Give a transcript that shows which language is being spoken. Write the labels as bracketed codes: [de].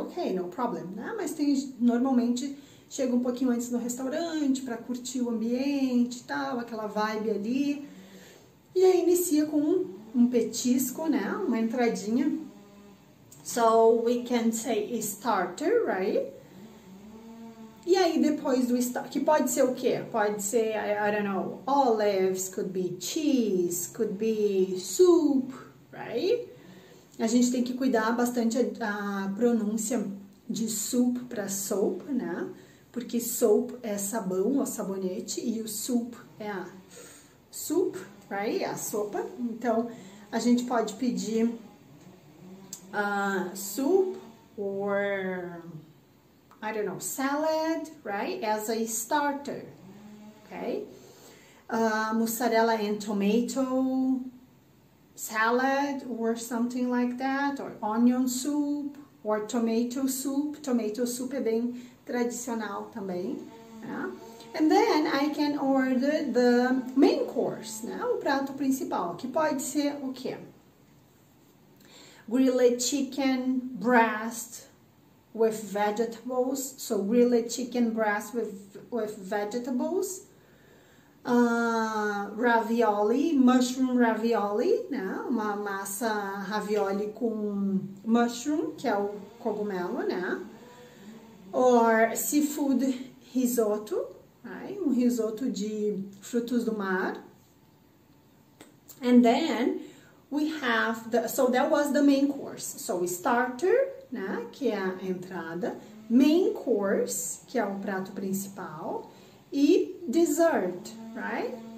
[pt] Ok, no problem, né? Mas tem, normalmente chega um pouquinho antes no restaurante para curtir o ambiente e tal, aquela vibe ali. E aí inicia com um petisco, né? Uma entradinha. [en] So we can say starter, right? [pt] E aí, depois do start, que pode ser o quê? Pode ser, [en] I don't know, olives, could be cheese, could be soup, right? [pt] A gente tem que cuidar bastante a pronúncia de soup para soap, né? Porque soap é sabão ou sabonete, e o soup é a soup, right? É a sopa. Então, a gente pode pedir [en] soup or, I don't know, salad, right? As a starter, ok? Mussarela and tomato salad, or something like that, or onion soup, or tomato soup. [pt] Tomato soup é bem tradicional também, né? [en] And then I can order the main course, né? [pt] O prato principal, que pode ser o quê? [en] Grilled chicken breast with vegetables, so grilled chicken breast with vegetables, ravioli, mushroom ravioli, né? [pt] Uma massa ravioli com mushroom, que é o cogumelo, né? [en] Or seafood risotto, right? [pt] Um risoto de frutos do mar. [en] And then we have the, so that was the main course. So starter, [pt] né, que é a entrada, main course, que é o prato principal, e dessert, right?